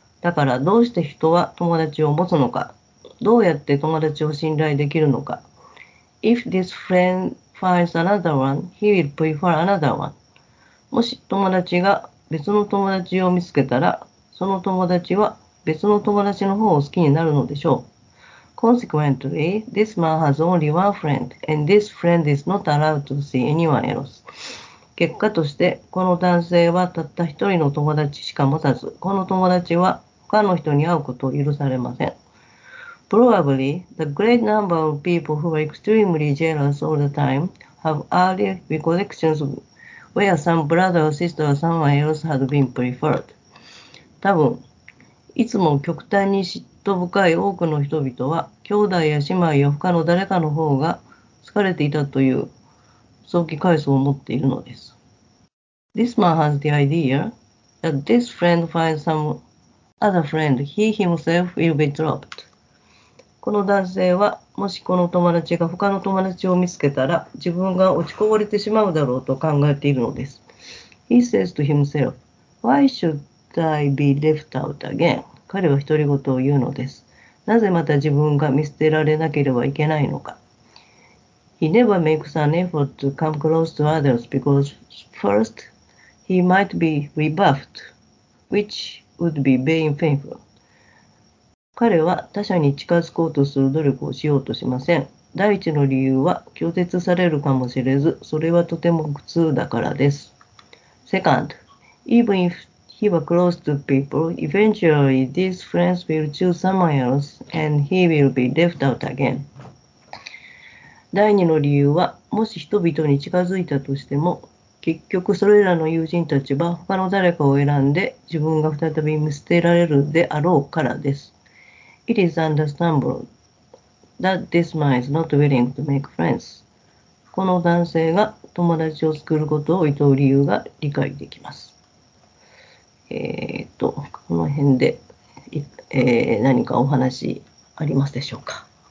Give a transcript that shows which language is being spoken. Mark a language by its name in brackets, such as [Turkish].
[Japanese] だからどうして人は友達を持つのか。どうやって友達を信頼できるのか。 [English] If this friend finds another one, he will prefer another one. [Japanese] もし友達が別の友達を見つけたら、その友達は別の友達の方を好きになるのでしょう。 [English] Consequently, this man has only one friend, and this friend is not allowed to see anyone else. [Japanese] 結果としてこの男性はたった一人の友達しか持たず、この友達は他の人に会うことを許されません。 [English] Probably, the great number of people who are extremely jealous all the time have early recollections where some brother or sister or someone else had been preferred. [Japanese] 多分、いつも極端に嫉妬深い多くの人々は、兄弟や姉妹や他の誰かの方が好かれていたという早期回想を持っているのです。 [English] This man has the idea that this friend finds some other friend, he himself will be dropped. [Japanese] この男性は、もしこの友達が他の友達を見つけたら、自分が落ちこぼれてしまうだろうと考えているのです。 [English] He says to himself, Why should I be left out again? [Japanese] 彼は独り言を言うのです。なぜまた自分が見捨てられなければいけないのか。 [English] He never makes an effort to come close to others because first, he might be rebuffed, which would be being painful. [Japanese] 彼は他者に近づこうとする努力をしようとしません。第一の理由は拒絶されるかもしれず、それはとても苦痛だからです。 [English] Second, even if he were close to people, eventually these friends will choose someone else and he will be left out again. [Japanese] 第二の理由は、もし人々に近づいたとしても、結局それらの友人たちは他の誰かを選んで自分が再び見捨てられるであろうからです。 [English] It is understandable that this man is not willing to make friends. [Japanese] この男性が友達を作ることを意図する理由が理解できます。この辺で、何かお話ありますでしょうか。